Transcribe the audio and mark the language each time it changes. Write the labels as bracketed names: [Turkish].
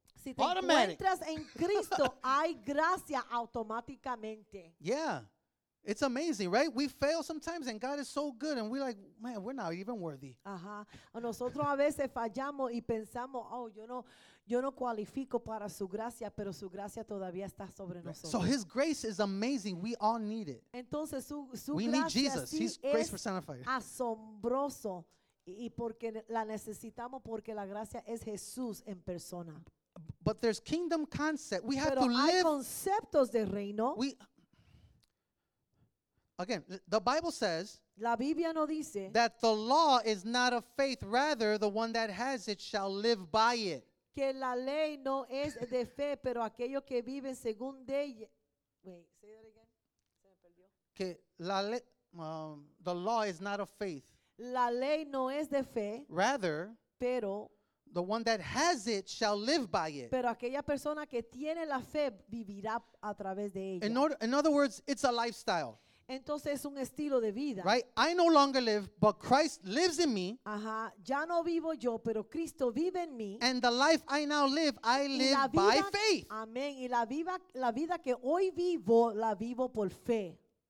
[Spanish] Si te encuentras en Cristo, hay gracia automáticamente. [English] Yeah. It's amazing, right? We fail sometimes and God is so good and we're like, man, we're not even worthy. Ajá. [Spanish] Nosotros a veces fallamos y pensamos, oh, yo no cualifico para su gracia, pero su gracia todavía está sobre nosotros. [English] So his grace is amazing. We all need it. [Spanish] Entonces su [English] we [Spanish] gracia [English] need Jesus. [Spanish] Sí [English] he's grace personified. [Spanish] Asombroso y porque la necesitamos porque la gracia es Jesús en persona. [English] But there's kingdom concept. We have [Spanish] pero [English] to live. [Spanish] Pero hay conceptos de reino. [English] Again, the Bible says [Spanish] la Biblia no dice [English] that the law is not of faith, rather the one that has it shall live by it. [Spanish] Que la ley no es de fe, pero aquellos que viven según de ella. [English] Wait, say that again. [Spanish] Se me perdió. Que la ley, [English] the law is not of faith. [Spanish] La ley no es de fe. [English] Rather, [Spanish] pero [English] the one that has it shall live by it. [Spanish] Pero aquella persona que tiene la fe vivirá a través de ella. [English] In other words, it's a lifestyle. [Spanish] Entonces es un estilo de vida. [English] Right? I no longer live, but Christ lives in me. Ajá. [Spanish] Ya no vivo yo, pero Cristo vive en mí. [English] And the life I now live, I live by faith. Amén. [Spanish] Y la vida que hoy vivo, la vivo por fe.